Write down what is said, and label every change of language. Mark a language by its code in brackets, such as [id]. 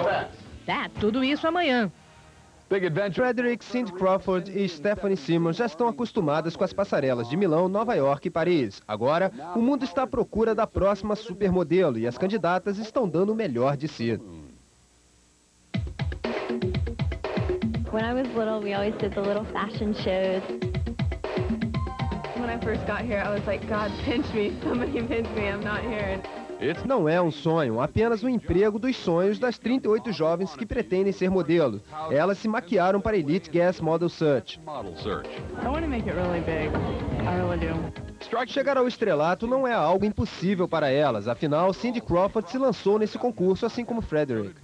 [pt] effects. Tudo isso amanhã. [en] Big Adventure. [pt] Frederick, Cindy Crawford e Stephanie Simmons já estão acostumadas com as passarelas de Milão, Nova York e Paris. Agora, o mundo está à procura da próxima supermodelo e as candidatas estão dando o melhor de si. [en] When I was little, we always did the little fashion shows. When I first got here, I was like, God, pinch me, somebody pinch me, I'm not here. [pt] Não é um sonho, apenas um emprego dos sonhos das 38 jovens que pretendem ser modelo. Elas se maquiaram para Elite Gas Model Search. Chegar ao estrelato não é algo impossível para elas, afinal, Cindy Crawford se lançou nesse concurso, assim como Frederick.